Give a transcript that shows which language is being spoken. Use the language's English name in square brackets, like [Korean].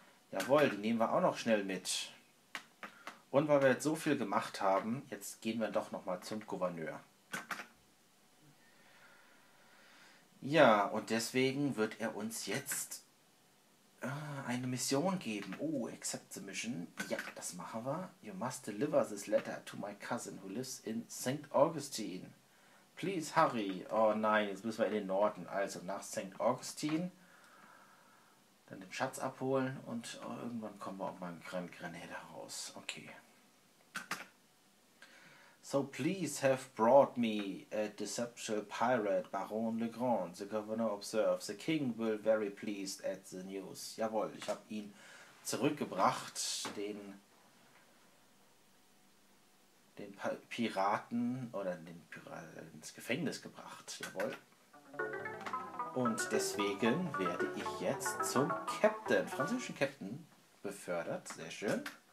[German] Jawohl, die nehmen wir auch noch schnell mit. Und weil wir jetzt so viel gemacht haben, jetzt gehen wir doch nochmal zum Gouverneur. Ja, und deswegen wird er uns jetzt eine Mission geben. [English] Oh, accept the mission. [German] Ja, das machen wir. [English] You must deliver this letter to my cousin who lives in St. Augustine. Please hurry. [German] Oh nein, jetzt müssen wir in den Norden. Also nach St. Augustine. Dann den Schatz abholen und oh, irgendwann kommen wir auch mal in Grand Grenada raus. Okay. [English] So please have brought me a deceptive pirate, Baron Le Grand. The governor observes. The king will very pleased at the news. [German] Jawohl, ich habe ihn zurückgebracht, den Piraten oder den Piraten ins Gefängnis gebracht. Jawohl. Und deswegen werde ich jetzt zum Captain, französischen Captain, befördert. Sehr schön.